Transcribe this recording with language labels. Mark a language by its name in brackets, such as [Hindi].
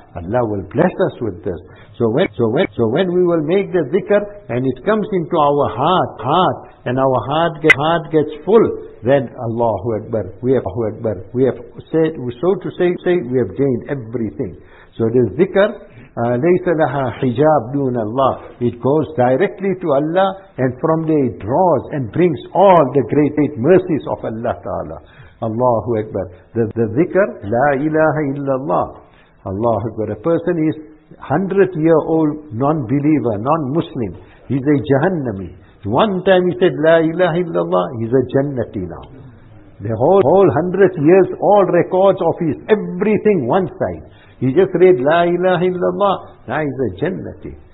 [English] Allah will bless us with this. So when we will make the zikr and it comes into our heart, and our heart gets full, then Allahu Akbar, we have said, we have gained everything. So the zikr, [Arabic] لَيْسَ لَهَا حِجَاب دُونَ اللَّهِ, [English] it goes directly to Allah, and from there it draws and brings all the great mercies of Allah Ta'ala. Allahu Akbar. [Arabic] The zikr, لَا إِلَهَ إِلَّا اللَّهِ. [English] Allahu Akbar. A person is 100-year-old non-believer, non-Muslim. He's a Jahannami. One time he said, [Arabic] La ilaha illallah, [English] he's a Jannati now. The whole 100 years, all records of his, everything, one side. He just read, [Arabic] La ilaha illallah, [English] now he's a Jannati.